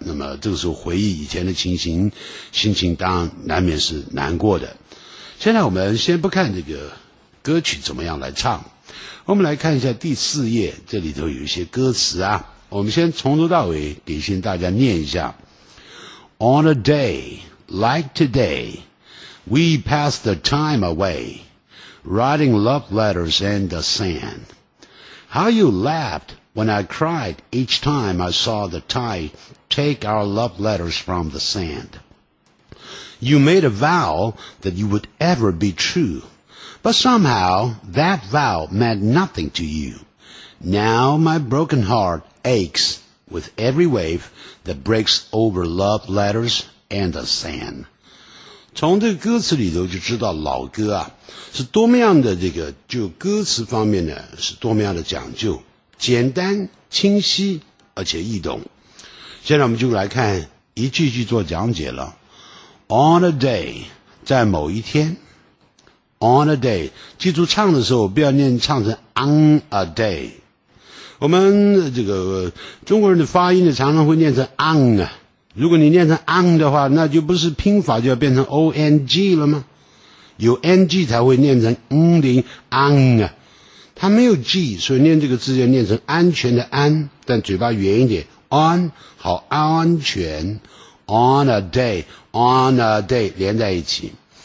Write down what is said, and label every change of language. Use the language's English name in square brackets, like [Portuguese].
[Chinese] 那么这个时候回忆以前的情形，心情当然难免是难过的。现在我们先不看这个歌曲怎么样来唱，我们来看一下第四页，这里头有一些歌词啊，我们先从头到尾给先大家念一下。 [English] On a day like today, we pass the time away, writing love letters in the sand. How you laughed when I cried each time I saw the tide take our love letters from the sand. You made a vow that you would ever be true, but somehow that vow meant nothing to you. Now my broken heartaches with every wave that breaks over love letters and the sand。 [Chinese] 从这个歌词里头就知道老歌啊是多么样的这个，就歌词方面呢是多么样的讲究，简单清晰而且易懂。现在我们就来看一句句做讲解了。 [English] On a day， [Chinese] 在某一天。 [English] On a day， [Chinese] 记住唱的时候不要念唱成 on a day，我们这个中国人的发音呢常常会念成 on 啊，如果你念成 on 的话，那就不是拼法就要变成 ong 了吗？有 ng 才会念成 ng 的 on 啊，它没有 g， 所以念这个字要念成安全的安，但嘴巴圆一点 on， 好安全 [English] on a day， on a day [Chinese] 连在一起。